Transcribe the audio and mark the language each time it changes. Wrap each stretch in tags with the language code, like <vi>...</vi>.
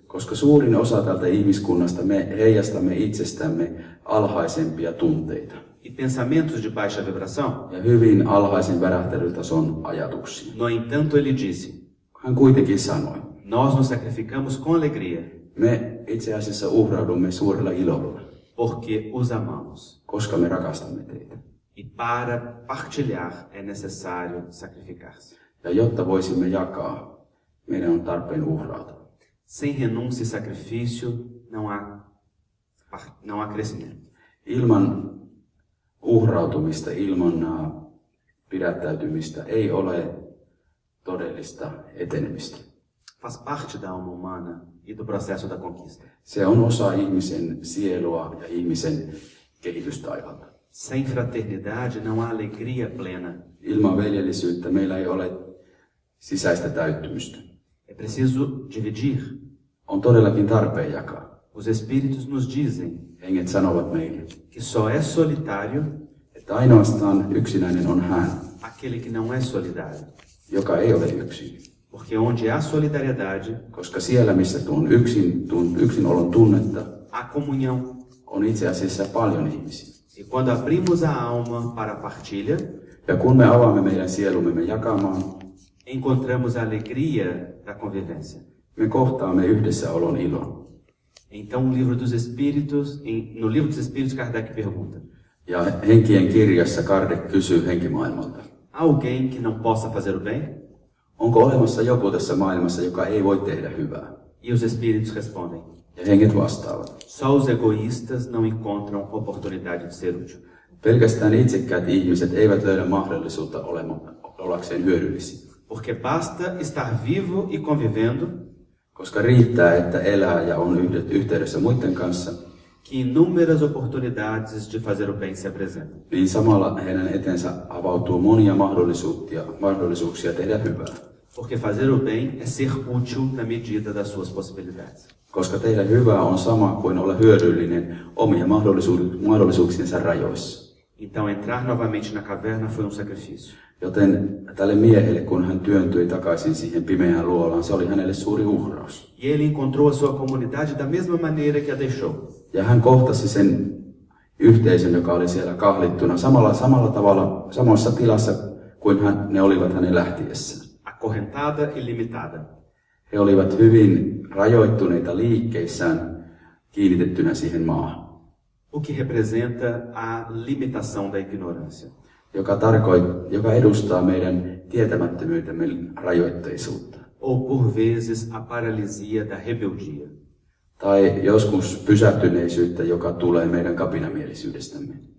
<fi>Koska suurin osa tältä ihmiskunnasta me heijastamme itsestämme alhaisempia tunteita.</fi> <pt>E pensamentos de baixa vibração?</pt> <fi>Ja hyvin alhaisen värähtelytason ajatuksia.</fi> <pt>No entanto, ele disse.</pt> <fi>Hän kuitenkin sanoi.</fi> <pt>Nós nos sacrificamos com alegria.</pt> <fi>Me itse asiassa uhraudumme suurella ilolla.</fi> <pt>Porque os amamos.</pt> <fi>Koska me rakastamme teitä.</fi> <pt>E para partilhar é necessário sacrificar-se.</pt> <fi>Ja jotta voisimme jakaa, meidän on tarpeen uhrautua.</fi> <pt>Sem renúncia e sacrifício não há crescimento.</pt> <fi>Ilman uhrautumista, ilman pidättäytymistä ei ole todellista etenemistä.</fi> <pt>Faz parte da alma humana e do processo da conquista.</pt> <fi>Se on osa ihmisen sielua ja ihmisen kehitystaivalta.</fi> <pt>Sem fraternidade não há alegria plena.</pt> <fi>Ilman veljellisyyttä meillä ei ole sisäistä täyttymystä.</fi> <pt>É preciso dividir.</pt> <fi>On todellakin tarpeen jakaa.</fi> <pt>Os espíritos nos dizem,</pt> <fi>henget sanovat meille,</fi> <pt>que só é solitário,</pt> <fi>että ainoastaan yksinäinen on hän,</fi> <pt>aquele que não é solidário,</pt> <fi>joka ei ole yksin.</fi> <pt>Porque onde há solidariedade,</pt> <fi>koska siellä missä tuon yksinolon tunnetta,</fi> <pt>há comunhão,</pt> <fi>on itse asiassa paljon ihmisiä.</fi> <pt>E quando abrimos a alma para partilha,</pt> <fi>ja kun me avaamme meidän sielumme jakamaan,</fi> <pt>encontramos a alegria da convivência.</pt> <fi>Me cortamos yhdessä olon ilon.</fi> <pt>Então no livro dos espíritos, no livro dos espíritos Kardec pergunta.</pt> <fi>Ja henkien kirjassa Kardec kysyy henkimaailmalta.</fi> <pt>Alguém que não possa fazer o bem?</pt> <fi>Onko olemassa joku tässä maailmassa, joka ei voi tehdä hyvää?</fi> <pt>E os espíritos respondem.</pt> <fi>Ja henget vastaavat.</fi> <pt>Só os egoístas não encontram oportunidade de ser útil.</pt> <fi>Pelkästään itsekkäät ihmiset eivät löydä mahdollisuutta ollakseen hyödyllisiä.</fi> <pt>Porque basta estar vivo e convivendo.</pt> <fi>Koska riittää, että elää ja on yhteydessä muiden kanssa.</fi> <pt>Que inúmeras oportunidades de fazer o bem se apresentam.</pt> <fi>Niin samalla heidän eteensä avautuu monia mahdollisuuksia tehdä hyvää.</fi> <pt>Porque fazer o bem é ser útil na medida das suas possibilidades.</pt> <fi>Koska tehdä hyvää on sama kuin olla hyödyllinen omia mahdollisuuksiensa rajoissa.</fi> <pt>Então entrar novamente na caverna foi um sacrifício.</pt> <fi>Joten tälle miehelle, kun hän työntyi takaisin siihen pimeään luolaan, se oli hänelle suuri uhraus.</fi> <pt>E ele encontrou a sua comunidade da mesma maneira que a deixou.</pt> <fi>Ja hän kohtasi sen yhteisön, joka oli siellä kahlittuna samalla tavalla, samassa tilassa kuin ne olivat hänen lähtiessään.</fi> <pt>Acorrentada e limitada.</pt> <fi>He olivat hyvin rajoittuneita liikkeissään kiinnitettynä siihen maahan.</fi> <pt>O que representa a limitação da ignorância.</pt> <fi>Joka edustaa meidän tietämättömyytemme rajoitteisuutta.</fi> <pt>Ou por vezes a paralisia da rebeldia.</pt> <fi>Tai joskus pysähtyneisyyttä, joka tulee meidän kapinamielisyydestämme.</fi>